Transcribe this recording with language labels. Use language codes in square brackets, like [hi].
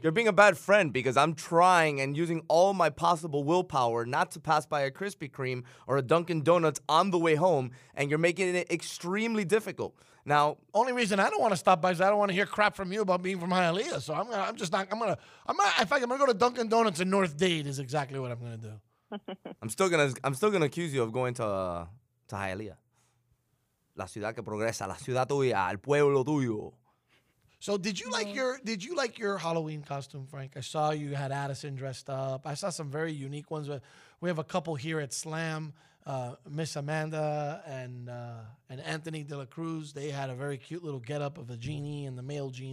[en] You're being a bad friend because I'm trying and using all my possible willpower not to pass by a Krispy Kreme or a Dunkin' Donuts on the way home, and you're making it extremely difficult. Now, only reason I don't want to stop by is I don't want to hear crap from you about being from Hialeah. So I'm gonna go to Dunkin' Donuts in North Dade is exactly what I'm gonna do. I'm still gonna accuse you of going to Hialeah. [es] La ciudad que progresa, la ciudad tuya, el pueblo tuyo. [en] So did you like your Halloween costume, Frank? I saw you had Addison dressed up. I saw some very unique ones. We have a couple here at Slam. Miss Amanda and Anthony De La Cruz, they had a very cute little getup of a genie and the male genie.